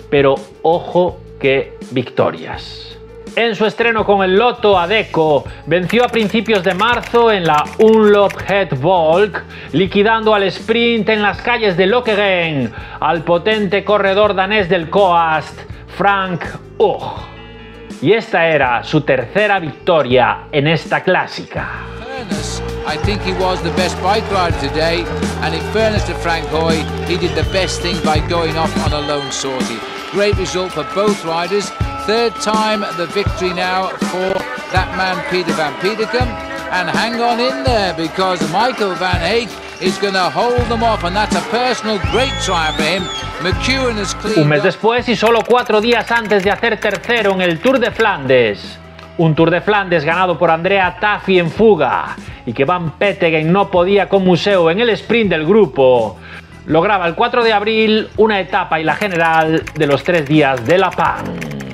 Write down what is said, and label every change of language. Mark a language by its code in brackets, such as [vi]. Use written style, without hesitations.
[es] Pero ojo, qué victorias. En su estreno con el Lotto Adecco, venció a principios de marzo en la Unlop Het Volk, liquidando al sprint en las calles de Lokeren al potente corredor danés del Coast, Frank Ugh. Y esta era su tercera victoria en esta clásica. [en] I think he was the best bike rider today, and in fairness to Frank Hoy, he did the best thing by going off on a lone sortie. Great result for both riders. Third time the victory now for that man Peter Van Petegem, and hang on in there because Michael Van Haik is going to hold them off, and that's a personal great triumph for him. McEwen has cleaned. [es] Un mes después y solo cuatro días antes de hacer tercero en el Tour de Flandes, un Tour de Flandes ganado por Andrea Taffi en fuga y que Van Petegem no podía con Museu en el sprint del grupo, lograba el 4 de abril una etapa y la general de los tres días de La Pan.